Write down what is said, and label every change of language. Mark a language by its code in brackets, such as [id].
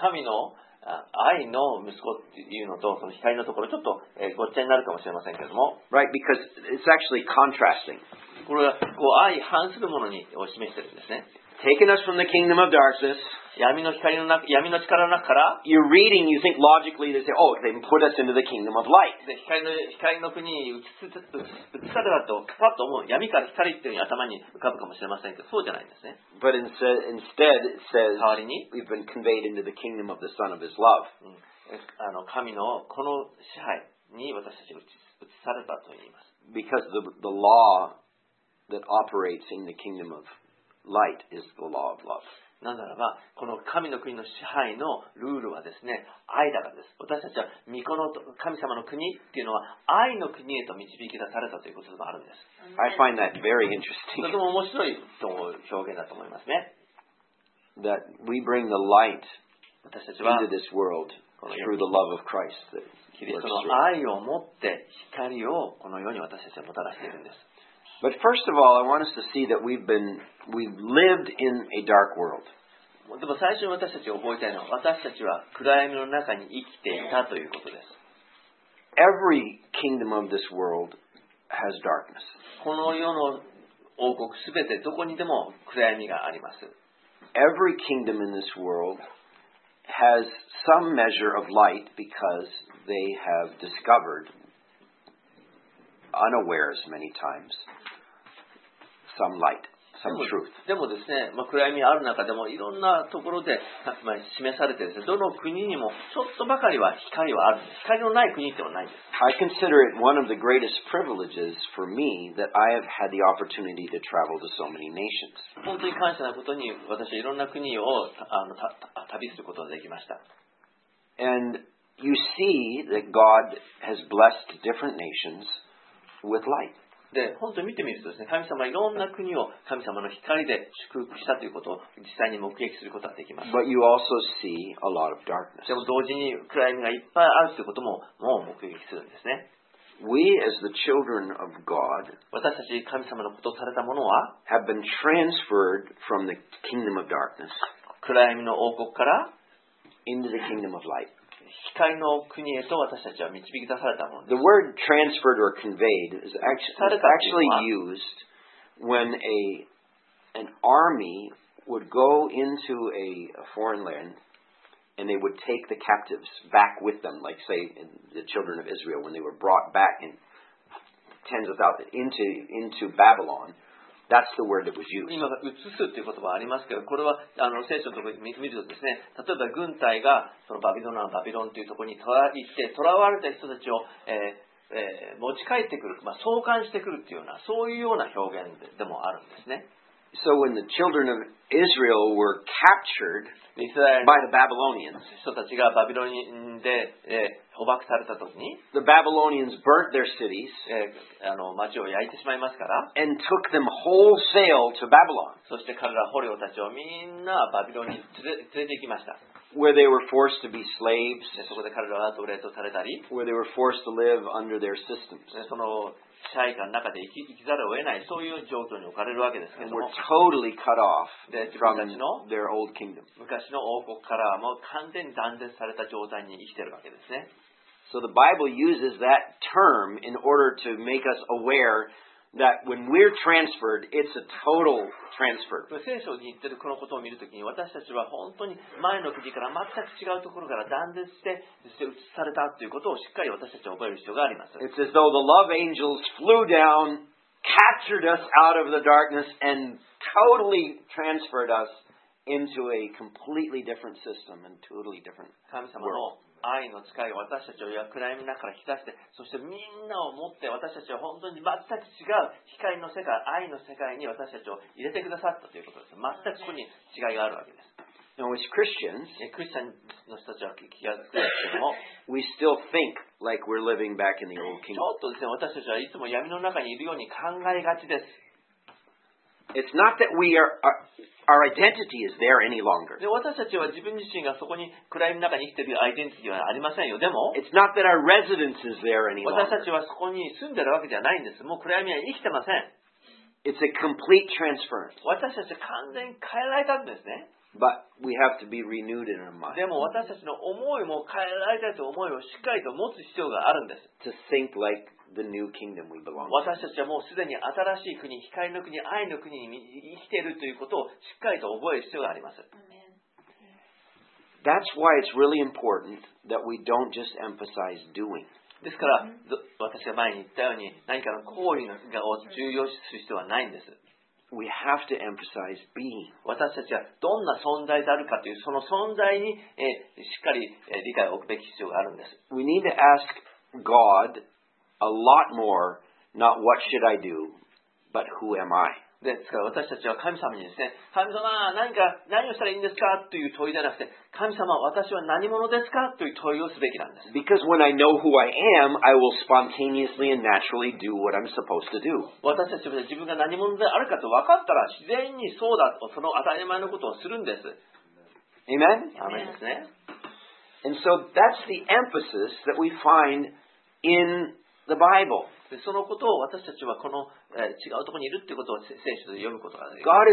[ja] 神の愛の息子っていうのとその光のところちょっとごっちゃになるかもしれませんけども [en] Right, because it's actually contrasting. [ja] これはこう愛反するものにを示してるんですね [en] Taking us from the kingdom of darkness [ja] 闇の力の中から [en] You're reading, you think logically they say, oh, they put us into the kingdom of light [ja] で光の国に移されたとパッと思う闇から光っていうのに頭に浮かぶかもしれませんけどそうじゃないんですね [en] But instead it says [ja] 代わりに [en] We've been conveyed into the kingdom of the Son of His love、う [ja] ん、神のこの支配に私たち移されたと言います [en] Because the law that operates in the kingdom ofLight is the law of love. [ja] なんならば、この神の国の支配のルールはですね、愛だからです。私たちは御子の神様の国っていうのは愛の国へと導き出されたということでもあるんです。 [en] I find that very interesting. [ja] とても面白いと表現だと思いますね。 [en] That we bring the light [ja] 私たちは [en] into this world through the love of Christ. [ja] キリストの愛を持って光をこの世に私たちはもたらしているんです。 [en] But first of all, I want us to see that we've lived in a dark world. [ja] でも最初に私たちが覚えたいのは、私たちは暗闇の中に生きていたということです。 [en] Every kingdom of this world has darkness. [ja] この世の王国すべてどこにでも暗闇があります。 [en] Every kingdom in this world has some measure of light because they have discovered. Unawares many times. Some light, some truth. [ja] でもですね、まあ、暗闇ある中でもいろんなところで、まあ、示されてですね、どの国にもちょっとばかりは光はある。光のない国ってはないです。 [en] I consider it one of the greatest privileges for me that I have had the opportunity to travel to so many nations. [ja] 本当に感謝なことに私はいろんな国を旅することができました。 [en] And you see that God has blessed different nations. With light. [ja] で、本当に見てみるとですね、神様はいろんな国を神様の光で祝福したということを実際に目撃することができます。 [en] But you also see a lot of darkness. [ja] でも同時に暗闇がいっぱいあるということももう目撃するんですね。 [en] We as the children of God [ja] 私たち神様のことをされたものは [en] have been transferred from the kingdom of darkness [ja] 暗闇の王国から [en] into the kingdom of light. [ja] 光の国へと私たちは導き出されたものです。 [en] The word transferred or conveyed is actually used when an army would go into a foreign land and they would take the captives back with them, like say in the children of Israel when they were brought back in tens of thousands into Babylon. That's the word that was used. [ja] 今が移すっていう言葉はありますけど、これはあの聖書のところに見るとですね、例えば軍隊がそのバビロンのバビロンというところに行って捕らわれた人たちを、持ち帰ってくる、まあ、送還してくるっていうようなそういうような表現 でもあるんですね。 [en] So when the children of Israel were captured by the Babylonians, [ja] 人たちがバビロンで、捕獲された時に、 [en] the Babylonians burnt their cities, [ja] あの、町を焼いてしまいますから、 [en] and took them wholesale to Babylon. [ja] そして彼ら捕虜たちをみんなバビロンに連れて行きました。 [en] Where they were forced to be slaves, [ja] そこで彼らは奴隷とされたり、 [en] where they were forced to live under their systems. [ja] その社会の中で生きざるを得ないそういう状況に置かれるわけですけども、 [en] we're totally cut off from their old kingdom. [ja] 昔の王国からはもう完全に断絶された状態に生きているわけですね。 [en] So the Bible uses that term in order to make us aware that when we're transferred, it's a total transfer. [ja] 聖書に言っているこのことを見るときに、私たちは本当に前の国から全く違うところから断絶して、そして移されたということをしっかり私たちは覚える必要があります。 [en] It's as though the love angels flew down, captured us out of the darkness, and totally transferred us into a completely different system and totally different world. [ja] 愛の使いを私たちを暗闇の中から引き出して、そしてみんなを持って私たちを本当に全く違う光の世界、愛の世界に私たちを入れてくださったということです。全くそこに違いがあるわけです。 [en] Now, as Christians, [ja] クリスチャンの人たちは気がつくんですけども、 [en] we still think like we're living back in the old kingdom. [ja] ちょっとですね、私たちはいつも闇の中にいるように考えがちです。 [en] It's not that we are, our identity is there any longer. [ja] で、私たちは自分自身がそこに暗闇の中に生きているアイデンティティはありませんよ。でも、 [en] It's not that our residence is there any longer. [ja] 私たちはそこに住んでるわけじゃないんです。もう暗闇は生きてません。 [en] It's a complete transference. [ja] 私たちは完全に変えられたんですね。 [en] But we have to be renewed in our mind. [ja] でも私たちの思いも変えられたという思いをしっかりと持つ必要があるんです。 [en] To think like the new kingdom we belong to. [ja] 私たちはもうすでに新しい国、光の国、愛の国に生きているということをしっかりと覚える必要があります。 [en] That's why it's really important that we don't just emphasize doing. [ja] ですから、私が前に言ったように、何かの行為を重要視する必要はないんです。 [en] We have to emphasize being. [ja] 私たちはどんな存在であるかという、その存在にしっかり理解を置くべき必要があるんです。 [en] We need to ask God a lot more, not what should I do, but who am I? [ja] ですから私たちは神様にですね、神様、何をしたらいいんですかという問いじゃなくて、神様、私は何者ですかという問いをすべきなんです。 [en] Because when I know who I am, I will spontaneously and naturally do what I'm supposed to do. [ja] 私たちは自分が何者であるかと分かったら、自然にそうだと、その当たり前のことをするんです。 [en] Amen? [ja] Amen ですね。 [en] And so that's the emphasis that we find in the Bible. [ja] でそのことを私たちはこの、違うところにいるということを聖書で読むことができます。